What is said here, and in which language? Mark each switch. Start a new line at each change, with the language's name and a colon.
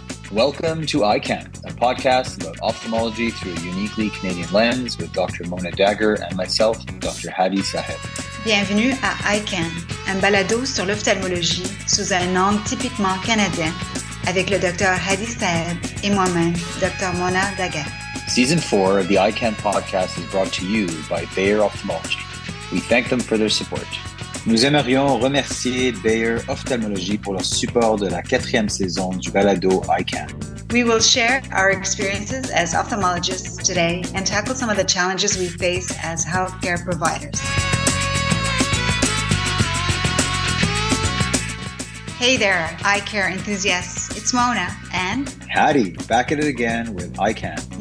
English: Welcome to ICAN, a podcast about ophthalmology through a uniquely Canadian lens with Dr. Mona Dagher and myself, Dr. Hadi Saheb.
French: Bienvenue à ICAN, un balado sur l'ophtalmologie sous un angle typiquement canadien avec le Dr. Hadi Saheb et moi-même, Dr. Mona Dagher.
English: Season 4 of the ICAN podcast is brought to you by Bayer Ophthalmology. We thank them for their support.
French: Nous aimerions remercier Bayer Ophthalmology pour leur support de la quatrième saison du balado ICAN.
English: We will share our experiences as ophthalmologists today and tackle some of the challenges we face as healthcare providers. Hey there, eye care enthusiasts. It's Mona and... Hadi, back at it again with ICAN.